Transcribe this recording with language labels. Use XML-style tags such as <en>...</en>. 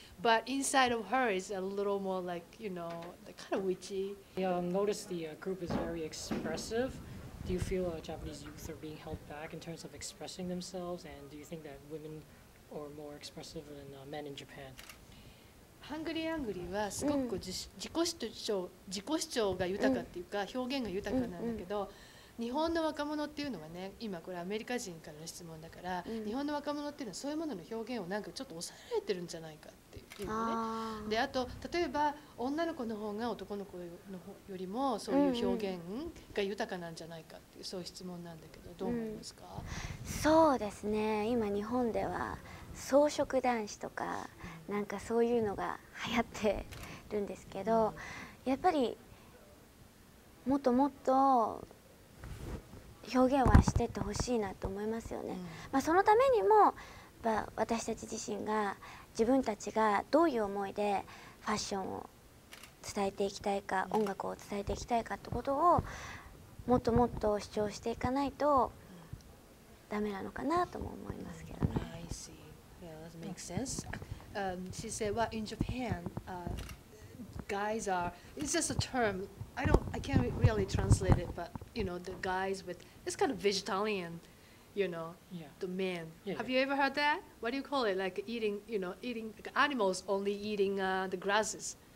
<en>But inside of her is a little more like, you know, the kind of witchy. Yeah, I noticed the group is very expressive. Do you feel Japanese youth are being held back in terms of expressing themselves? And do you think that women are more expressive than men in Japan?</en> <ja>HANGRY&ANGRY はすごく自己主張が豊かっていうか表現が豊かなんだけど、日本の若者っていうのはね、今これアメリカ人からの質問だから、日本の若者っていうのはそういうものの表現をなんかちょっと抑えられてるんじゃないかっていうね。で、あと例えば女の子の方が男の子の方よりもそういう表現が豊かなんじゃないかっていう、そういう質問なんだけど、どう思いますか？そうですね。今日本では草食男子とかなんかそういうのが流行ってるんですけど、やっぱりもっともっと表現はしてってほしいなと思いますよね。まあそのためにも私たち自身が自分たちがどういう思いでファッションを伝えていきたいか、音楽を伝えていきたいかってことをもっともっと主張していかないとダメなのかなとも思いますけどね。</ja> <en>Makes sense. She said, well, in Japan, guys are, it's just a term, I can't really translate it, but, you know, the guys with, it's kind of vegetarian, you know, yeah. The men. Yeah, have you ever heard that? What do you call it? Like eating, you know, eating like animals, only eating the grasses.</en>